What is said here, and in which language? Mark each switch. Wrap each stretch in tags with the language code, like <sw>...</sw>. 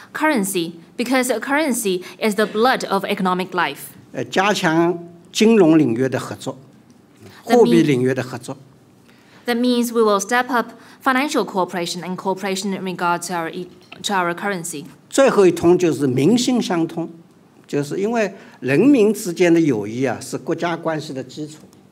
<en>currency, because a currency is the blood of economic life.</en> <zh>加强金融领域的合作，货币领域的合作。</zh> <en>That means we will step up financial cooperation and cooperation in regard to our currency.</en> <zh>最后一通就是民心相通，就是因为人民之间的友谊啊，是国家关系的基础。</zh>